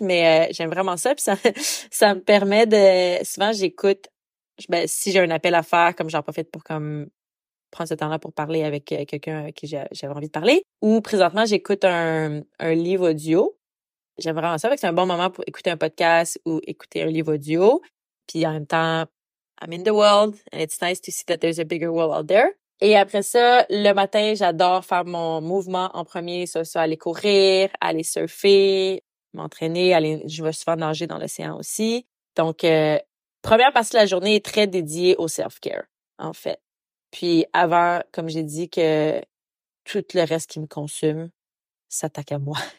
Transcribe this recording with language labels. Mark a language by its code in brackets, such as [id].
[fr] Mais j'aime vraiment ça. Puis ça me permet de... Souvent, j'écoute... Ben, si j'ai un appel à faire, comme j'en profite pour comme prendre ce temps-là pour parler avec quelqu'un avec qui j'avais envie de parler. Ou présentement, j'écoute un livre audio. J'aime vraiment ça, c'est un bon moment pour écouter un podcast ou écouter un livre audio. Puis en même temps, [en] I'm in the world and it's nice to see that there's a bigger world out there. [fr] Et après ça, le matin, j'adore faire mon mouvement en premier, soit aller courir, aller surfer, m'entraîner, je vais souvent nager dans l'océan aussi. Donc, première partie de la journée est très dédiée au self-care, en fait. Puis avant, comme j'ai dit, que tout le reste qui me consume s'attaque à moi.